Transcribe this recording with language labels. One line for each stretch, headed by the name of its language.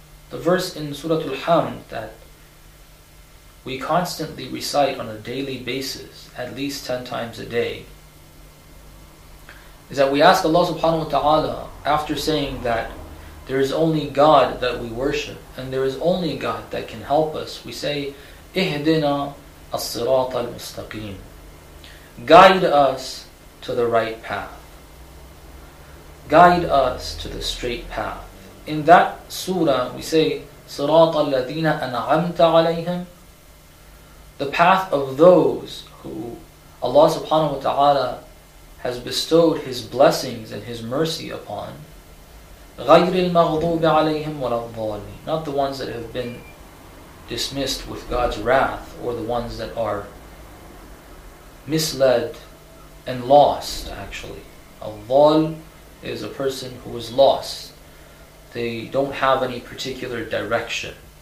English: The verse in Surah Al-Hamd that we constantly recite on a daily basis, at least 10 times a day, is that we ask Allah subhanahu wa ta'ala, after saying that There is only God that we worship, and there is only God that can help us. We say,
Arabic: اِهْدِنَا الصِّرَاطَ الْمُسْتَقِيمِ.
English: Guide us to the right path. Guide us to the straight path. In that surah, we say,
Arabic: صِرَاطَ الَّذِينَ أَنْعَمْتَ عَلَيْهِمْ.
English: The path of those who Allah subhanahu wa ta'ala has bestowed His blessings and His mercy upon.
Arabic: غير المغضوب عليهم ولا الضالين.
English: Not the ones that have been dismissed with God's wrath, or the ones that are misled and lost, actually. A ضال is a person who is lost. They don't have any particular direction.